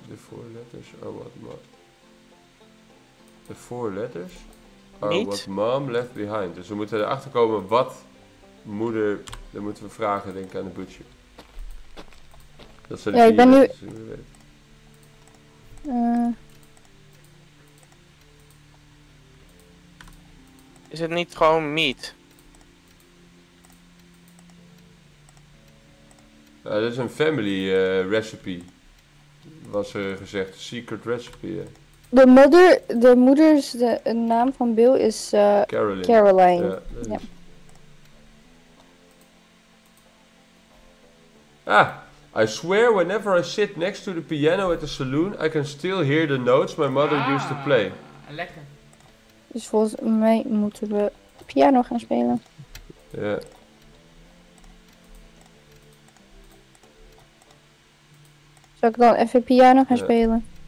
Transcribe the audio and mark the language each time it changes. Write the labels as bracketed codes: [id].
[en] The 4 letters are what mom... The 4 letters are [nl] niet? [en] What mom left behind. [nl] Dus we moeten erachter komen wat moeder... Dan moeten we vragen, denk ik, aan de butcher. Dat zijn ja, ik ben letters, nu... Is het niet gewoon meat? Dat is een [en] family recipe. [nl] Was er gezegd, [en] secret recipe. [nl] Yeah. De moeder, de moeders, de naam van Bill is Caroline. Caroline. Ja, yeah. [en] Ah, I swear whenever I sit next to the piano at the saloon, I can still hear the notes my mother used to play. [nl] Lekker. Dus volgens mij moeten we piano gaan spelen. Ja. Yeah. Zal ik dan even piano gaan spelen?